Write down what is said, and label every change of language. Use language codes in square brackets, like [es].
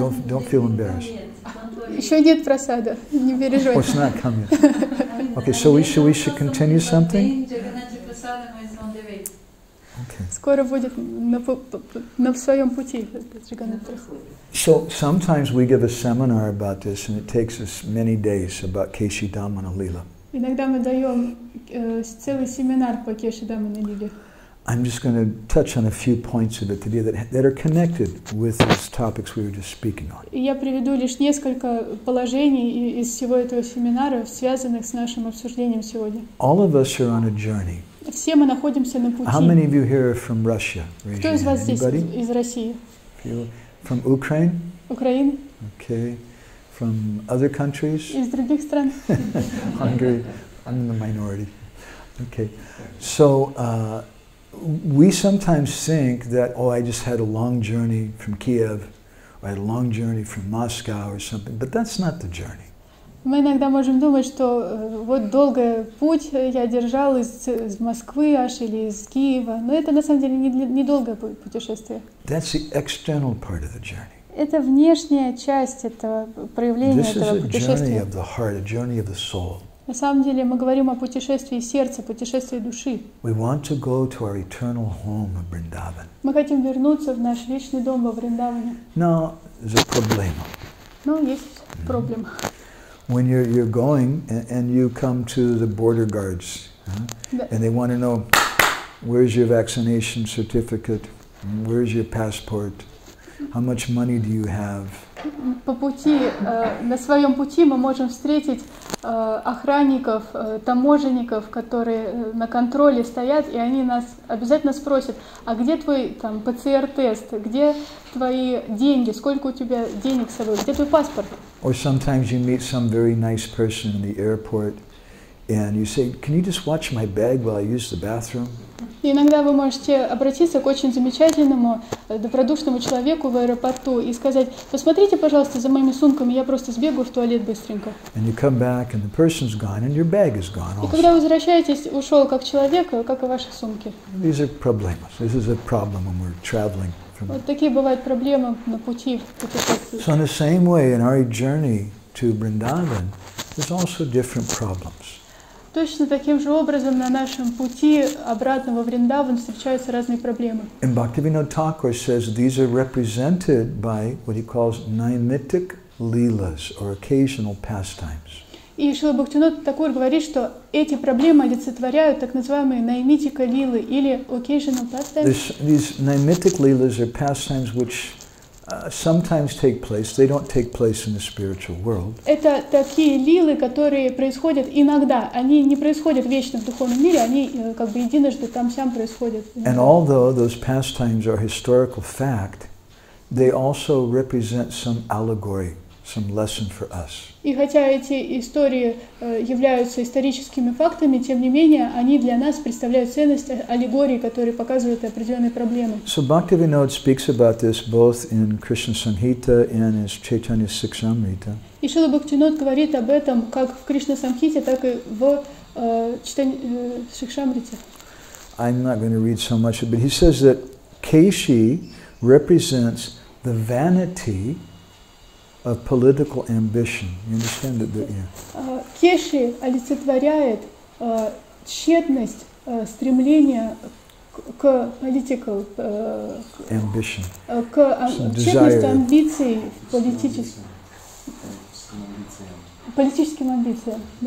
[en] Don't feel embarrassed. [ru] Еще нет прасада, не переживай. [en] It's not coming. Okay, so we should continue something. Okay. [ru] Скоро будет на своем пути. [en] So sometimes we give a seminar about this, and it takes us many days about Keshi Damana Lila. [ru] Иногда мы даем целый семинар по Кеши Дамана Лиле. [en] I'm just going to touch on a few points of it today that are connected with these topics we were just speaking on. [ru] Я приведу лишь несколько положений из всего этого семинара, связанных с нашим обсуждением сегодня. [en] All of us are on a journey. [ru] Все мы находимся на пути. [en] How many of you here are from Russia? [ru] Кто из вас здесь из России? [en] From Ukraine? [ru] Украина. [en] Okay. From other countries? [ru] Из других стран. [en] Hungary. I'm in the minority. Okay. So we sometimes think that, oh, I just had a long journey from Kiev, or I had a long journey from Moscow or something, but that's not the journey. [ru] Мы иногда можем думать, что вот долгий путь я держал из Москвы аж или из Киева, но это на самом деле не долгое путешествие. [en] That's the external part of the journey. [ru] Это внешняя часть этого проявления [en] This [ru] этого путешествия. [en] This is a journey of the heart, a journey of the soul. [ru] На самом деле мы говорим о путешествии сердца, путешествии души. [en] We want to go to our eternal home in Vrindavan. [ru] Мы хотим вернуться в наш вечный дом во Вриндаване. Но есть проблема. Но есть проблема. [en] When you're going and you come to the border guards, huh? And they want to know, where's your vaccination certificate? Where's your passport? How much money do you have? [ru] По пути, на своем пути мы можем встретить охранников, таможенников, которые на контроле стоят, и они нас обязательно спросят, а где твой там ПЦР-тест, где твои деньги, сколько у тебя денег с собой, где твой паспорт? [en] Or sometimes you meet some very nice person in the airport, and you say, can you just watch my bag while I use the bathroom? [ru] Иногда вы можете обратиться к очень замечательному, добродушному человеку в аэропорту и сказать, посмотрите, пожалуйста, за моими сумками, я просто сбегаю в туалет быстренько. [en] And you come back, and the person's gone, and your bag is gone also. [ru] И когда возвращаетесь, ушел как человек, как и ваши сумки. [en] These are problems. This is a problem when we're traveling. [ru] Вот такие бывают проблемы на пути. [en] So in the same way, in our journey to Vrindavan, there's also different problems. [ru] Точно таким же образом на нашем пути обратно во Вриндаван встречаются разные проблемы. [en] And Bhaktivinoda Thakur says these are represented by what he calls naimittic leelas or occasional pastimes. [ru] И Шрила Бхактивинода Такур говорит, что эти проблемы олицетворяют так называемые наймитика лилы или [en] occasional pastimes. These наймитик лилы are pastimes which sometimes take place. They don't take place in the spiritual world. [ru] Это такие лилы, которые происходят иногда. Они не происходят вечно в духовном мире. Они как бы единожды там сам происходят. [en] And although those pastimes are historical fact, they also represent some allegory. Some lesson for us. [ru] И хотя эти истории являются историческими фактами, тем не менее, они для нас представляют ценность аллегории, которые показывают определенные проблемы. [en] So Bhaktivinoda speaks about this both in Krishna Samhita and in Chaitanya Sikshamrita. [ru] И Шрила Бхактивинода говорит об этом как в Кришна Самхите, так и в Сикшамрите. [en] I'm not going to read so much, but he says that Keshi represents the vanity of political ambition. You understand that, don't you? [ru] Кеши олицетворяет тщетность стремления к political [en] ambition. [ru] К тщетность амбиций политическим амбициям.